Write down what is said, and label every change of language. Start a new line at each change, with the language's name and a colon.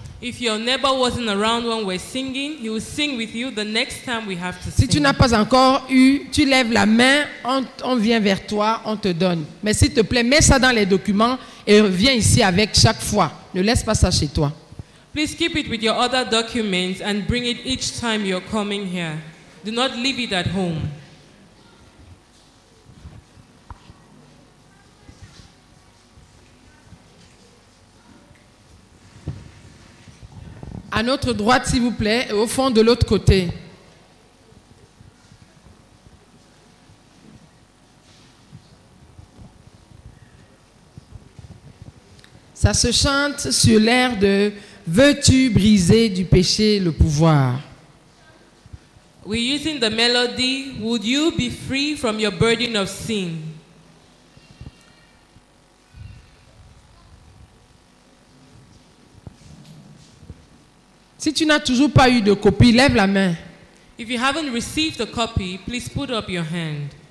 English: If your neighbor wasn't around when we're singing, he will sing with you the next time we have to sing.
French: Si tu n'as pas encore eu, tu lèves la main, on vient vers toi, on te donne. Mais s'il te plaît, mets ça dans les documents et viens ici avec chaque fois. Ne laisse pas ça chez toi.
English: Please keep it with your other documents and bring it each time you're coming here. Do not leave it at home.
French: À notre droite, s'il vous plaît, et au fond de l'autre côté. Ça se chante sur l'air de « Veux-tu briser du péché le pouvoir ?»
English: We're using the melody « Would you be free from your burden of sin ?»
French: Si tu n'as toujours pas eu de copie, lève la main.
English: If you haven't received a copy, please put up your hand.